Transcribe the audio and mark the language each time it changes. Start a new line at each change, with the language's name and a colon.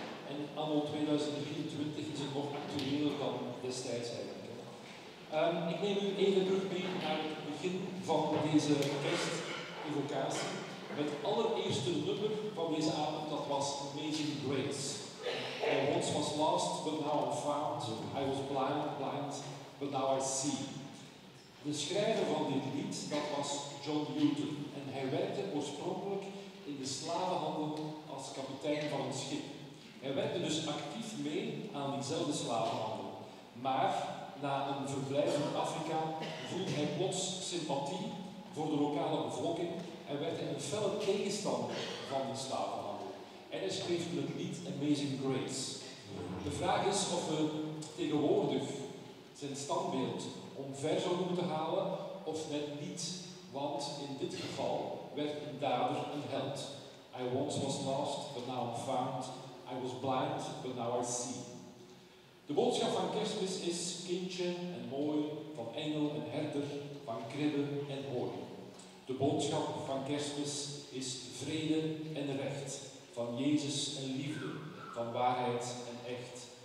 Dutch: En anno 2023 is het nog actueler dan destijds eigenlijk. Ik neem u even terug mee naar het begin van deze kerstevocatie. Het allereerste nummer van deze avond, dat was Amazing Grace.
English: Once was lost, but now I'm found. I was blind, but now I see.
Dutch: De schrijver van dit lied, dat was John Newton. En hij werkte oorspronkelijk in de slavenhandel als kapitein van een schip. Hij werkte dus actief mee aan diezelfde slavenhandel. Maar na een verblijf in Afrika voelde hij plots sympathie voor de lokale bevolking en werd hij een felle tegenstander van de slavenhandel. En hij schreef het lied Amazing Grace. De vraag is of we tegenwoordig zijn standbeeld omver zouden moeten halen of net niet, want in dit geval werd een dader een held.
English: I once was lost, but now I'm found. I was blind, but now I see.
Dutch: De boodschap van Kerstmis is kindje en mooi, van engel en herder, van kribbe en hooi. De boodschap van Kerstmis is vrede en recht, van Jezus en liefde, van waarheid en echt.